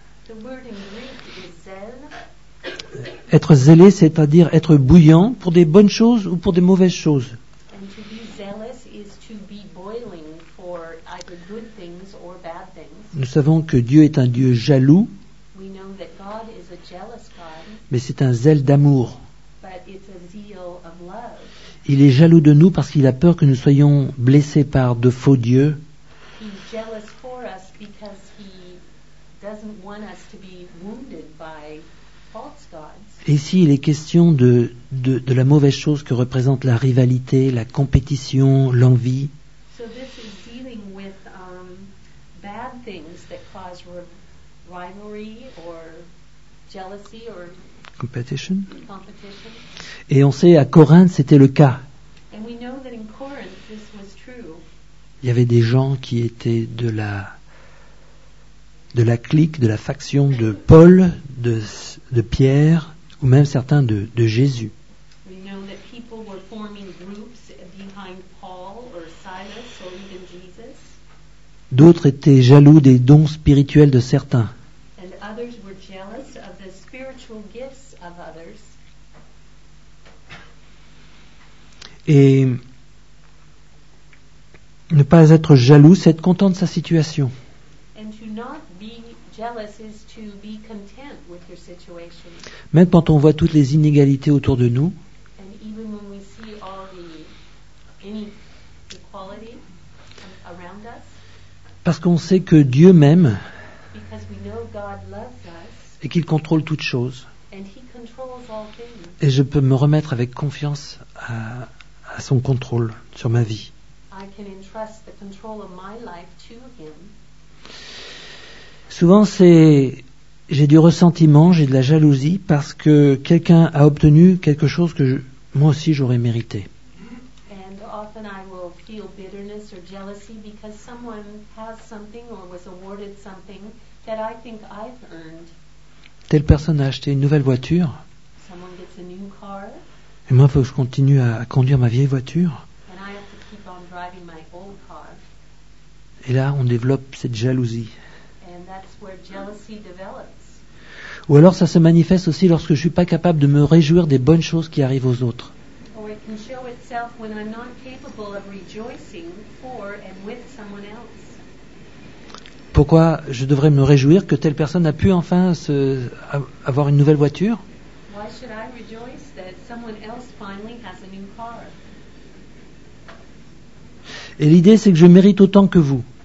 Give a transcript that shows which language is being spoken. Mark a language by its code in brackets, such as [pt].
[en] The word in Greek is zèle. [fr] Être zélé, c'est-à-dire être bouillant pour des bonnes choses ou pour des mauvaises choses. [en] And to be zealous is to be boiling for either good things or bad things. [fr] Nous savons que Dieu est un Dieu jaloux. [en] We know that God is a jealous God. [fr] Mais c'est un zèle d'amour. [en] But it's a zeal of love. [fr] Il est jaloux de nous parce qu'il a peur que nous soyons blessés par de faux dieux. [en] He's jealous for us because he doesn't want us to be wounded by false gods. [fr] Et ici, il est question de la mauvaise chose que représente la rivalité, la compétition, l'envie. [en] So this is dealing with bad things that cause rivalry or jealousy or competition. Competition. [fr] Et on sait à Corinthe, c'était le cas. [en] And we know that in Corinth, this was true. [fr] Il y avait des gens qui étaient de la clique, de la faction de Paul, de Pierre, ou même certains de Jésus. [en] We know that people were forming groups behind Paul or Silas or even Jesus. [fr] D'autres étaient jaloux des dons spirituels de certains. [en] And others were jealous of the spiritual gifts of others. [fr] Et Ne pas être jaloux, c'est être content de sa situation. [en] And to not be jealous is to be content with your situation. [fr] Même quand on voit toutes les inégalités autour de nous, [en] and even when we see all the inequality around us, [fr] parce qu'on sait que Dieu m'aime, [en] because we know God loves us, [fr] et qu'il contrôle toutes choses, [en] and he controls all things, [fr] et je peux me remettre avec confiance à son contrôle sur ma vie. [en] I can entrust the control of my life to him. [fr] Souvent, j'ai du ressentiment, j'ai de la jalousie parce que quelqu'un a obtenu quelque chose que moi aussi j'aurais mérité. [en] And often I will feel bitterness or jealousy because someone has something or was awarded something that I think I've earned. [fr] Telle personne a acheté une nouvelle voiture. [en] Someone gets a new car. [fr] Et moi, il faut que je continue à conduire ma vieille voiture. [en] And I have to keep on driving my old car. [fr] Et là, on développe cette jalousie. [en] And that's where jealousy develops. [fr] Ou alors ça se manifeste aussi lorsque je ne suis pas capable de me réjouir des bonnes choses qui arrivent aux autres. [en] Or it can show itself when I'm not capable of rejoicing for and with someone else. [fr] Pourquoi je devrais me réjouir que telle personne a pu enfin avoir une nouvelle voiture? [en] Why should I rejoice that someone else finally has a new car? [fr] Et l'idée c'est que je mérite autant que vous.